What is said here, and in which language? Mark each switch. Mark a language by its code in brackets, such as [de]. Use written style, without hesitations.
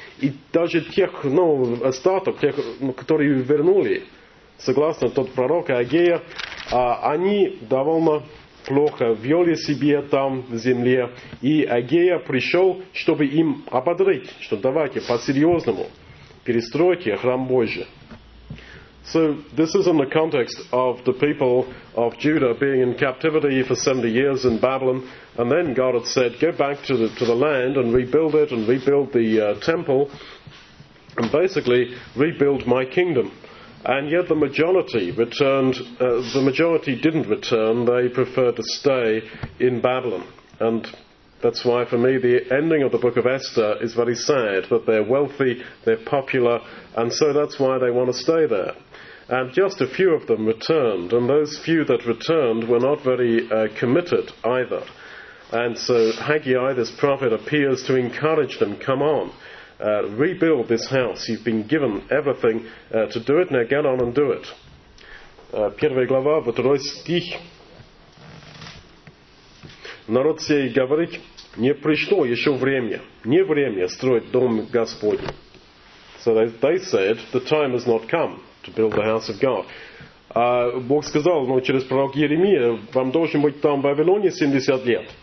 [ru] И даже тех, ну, остаток, тех, которые вернули, согласно тот пророк Агея, они довольно плохо вели себя там, в земле. И Агея пришел, чтобы им ободрить, что давайте по-серьезному перестройте храм Божий. [en] So this is in the context of the people of Judah being in captivity for 70 years in Babylon, and then God had said, go back to the land and rebuild it and rebuild the temple and basically rebuild my kingdom. And yet the majority returned, the majority didn't return, they preferred to stay in Babylon. And that's why for me the ending of the book of Esther is very sad, that they're wealthy, they're popular, and so that's why they want to stay there. And just a few of them returned, and those few that returned were not very committed either. And so Haggai, this prophet, appears to encourage them, come on, rebuild this house, you've been given everything to do it, now get on and do it. [ru] Первая глава, второй стих. Народ сей говорит, не пришло еще время, не время строить дом Господень. [en] So they said, the time has not come to build the house of God. [ru] Бог сказал, ну, через пророк Еремия, вам должен быть там в Вавилоне 70 лет.